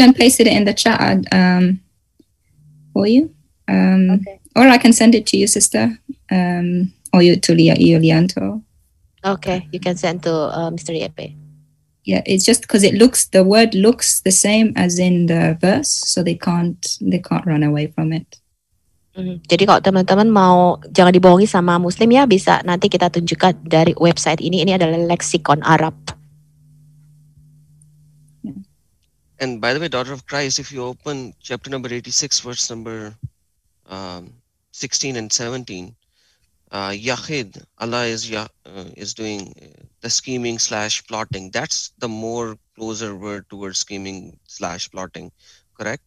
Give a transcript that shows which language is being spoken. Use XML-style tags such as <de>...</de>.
<en>and paste it in the chat for you. Okay. Or I can send it to you, sister. Okay, you can send to Mr. Yepe. Yeah, it's just because the word looks the same as in the verse, so they can't run away from it.</en> <id>Jadi kalau teman-teman mau, jangan dibohongi sama Muslim ya, bisa nanti kita tunjukkan dari website ini adalah leksikon Arab.</id> <en>Yeah. And by the way, Daughter of Christ, if you open chapter number 86, verse number 16 and 17, Yahid, Allah is doing the scheming slash plotting. That's the more closer word towards scheming slash plotting, correct?</en>